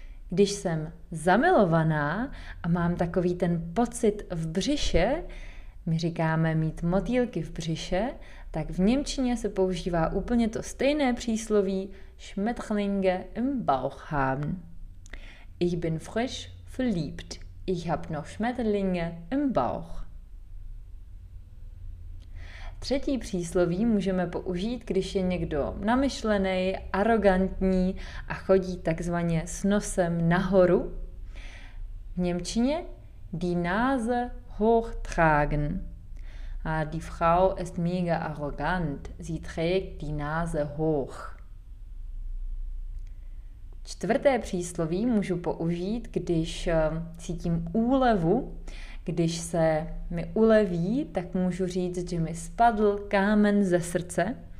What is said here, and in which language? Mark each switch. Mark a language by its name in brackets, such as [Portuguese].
[Czech] Když jsem zamilovaná a mám takový ten pocit v břiše, my říkáme mít motýlky v břiše, tak v němčině se používá úplně to stejné přísloví [German] Schmetterlinge im Bauch haben. Ich bin frisch verliebt. Ich hab noch Schmetterlinge im Bauch. [Czech] Třetí přísloví můžeme použít, když je někdo namyšlený, arrogantní a chodí takzvaně s nosem nahoru. V němčině [German] die Nase hochtragen. A die Frau ist mega arrogant. Sie trägt die Nase hoch. [Czech] Čtvrté přísloví můžu použít, když cítím úlevu. Když se mi uleví, tak můžu říct, že mi spadl kámen ze srdce.